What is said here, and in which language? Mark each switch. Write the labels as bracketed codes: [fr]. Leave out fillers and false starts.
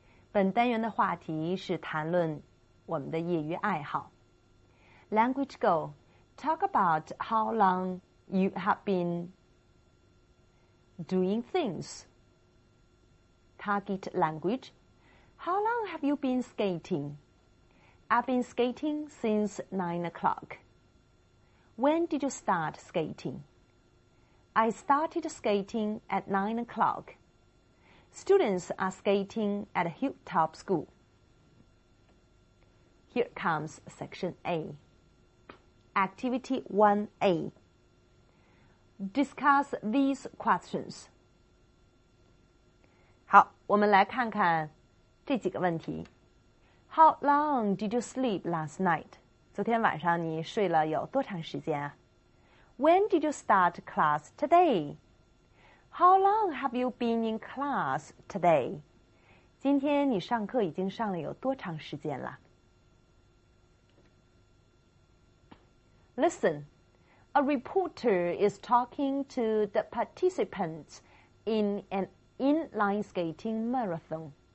[zh] 本单元的话题是谈论我们的业余爱好。 [en] Language goal, talk about how long you have beendoing things. Target language. How long have you been skating? I've been skating since 9 o'clock. When did you start skating? I started skating at 9 o'clock. Students are skating at Hilltop School. Here comes section A. Activity 1A. Discuss these questions. [zh] 好，我们来看看这几个问题。 [en] How long did you sleep last night? [zh] 昨天晚上你睡了有多长时间啊？ [en] When did you start class today? How long have you been in class today? [zh] 今天你上课已经上了有多长时间了？ [en] Listen, a reporter is talking to the participants in an inline skating marathon.